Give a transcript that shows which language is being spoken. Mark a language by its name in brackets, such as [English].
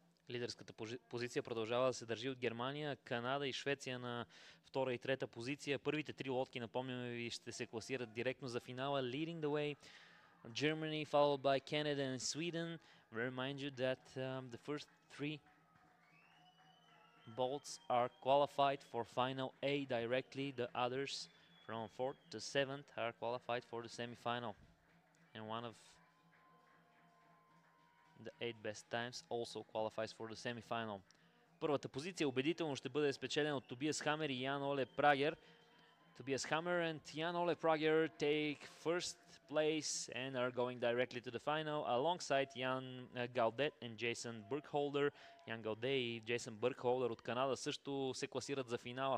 [Bulgarian] Лидерската позиция продължава да се държи от Германия, Канада и Швеция на втора и трета позиция. Първите три лодки, напомняме ви, ще се класират директно за финала. [English] Leading the way, Germany, followed by Canada and Sweden. We remind you that the first three boats are qualified for final A directly. The others from fourth to seventh are qualified for the semifinal. And one of the eight best times also qualifies for the semifinal. [Bulgarian] Първата позиция убедително ще бъде спечелена от Тобиас Хамер и Ян Оле Прагер. [English] Тобиас Хамер and Ян Оле Прагер take first place and are going directly to the final alongside Ян Галдет and Jason Burkholder. [Bulgarian] Ян Галдет и Jason Burkholder от Канада също се класират за финала.